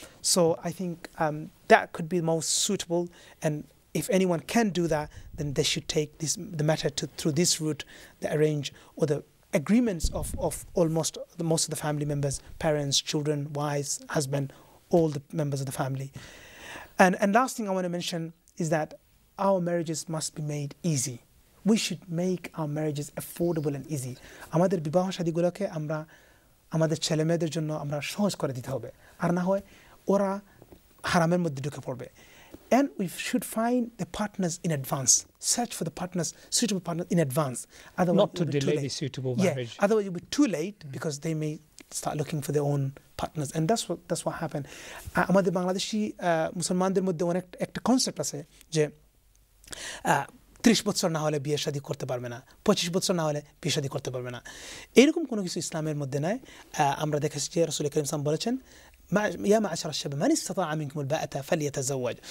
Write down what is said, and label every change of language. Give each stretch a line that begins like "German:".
English: So I think that could be most suitable, and if anyone can do that, then they should take this matter through this route, the arrange or the agreements of almost the, most of the family members, parents, children, wives, husband, all the members of the family. And last thing I want to mention is that our marriages must be made easy. We should make our marriages affordable and easy.
Bangla: আমাদের বিবাহ শাদীগুলোকে আমরা আমাদের ছেলেমেয়েদের জন্য আমরা সহজ করে দিতে হবে আর না হয় ওরা হারামের মধ্যে ঢুকে পড়বে.
English: And we should find the partners in advance. Search for the partners, suitable partners in advance. Otherwise, not to delay the suitable marriage. Yeah. Otherwise, it'll be too late because they may start looking for their own partners. And that's what happened.
Bangla: আমাদের বাংলাদেশি মুসলমানদের মধ্যে অনেক একটা concept আছে যে 30 বছর না হলে বিয়ে শাদী করতে পারবে না, 25 বছর না হলে বিয়ে শাদী করতে পারবে না. এরকম কোনো কিছু ইসলামের মধ্যে নাই. আমরা দেখেছি যে রাসুল করিম সাল্লাম বলেছেন
Arabic: يا معشر الشباب من استطاع منكم الباءة فليتزوج.